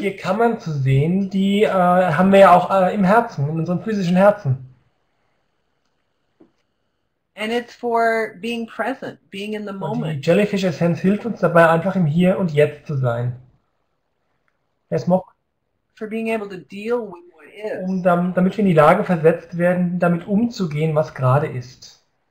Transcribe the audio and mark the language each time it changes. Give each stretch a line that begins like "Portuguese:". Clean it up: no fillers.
German: Vier Kammern zu sehen, die haben wir ja auch im Herzen, in unserem physischen Herzen.
English: And it's for being present, being in the moment.
German: Und die Jellyfish Essence hilft uns dabei, einfach im Hier und Jetzt zu sein.
English: For being able to deal with what is.
German: Um damit wir in die Lage versetzt werden, damit umzugehen, was gerade ist.